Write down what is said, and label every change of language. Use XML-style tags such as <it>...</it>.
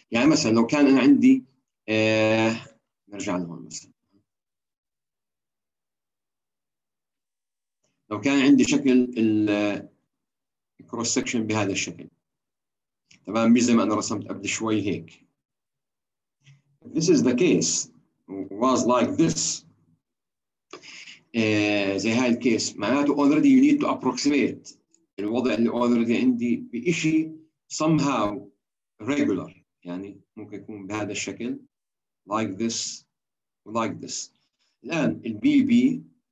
<ar>يعني مثلا لو كان انا عندي نرجع لهون مثلا لو كان عندي شكل الكروس سكشن بهذا الشكل, تمام, زي ما انا رسمت قبل شوي هيك.</ar> <en>This is the case was like this.</en> <ar>زي هاي الكيس معناته</ar> <en>already you need to approximate</en> <ar>الوضع اللي already عندي بإشي somehow regular, يعني ممكن يكون بهذا الشكل</ar> <en>like this like this.</en> <ar>الآن البي بي</ar>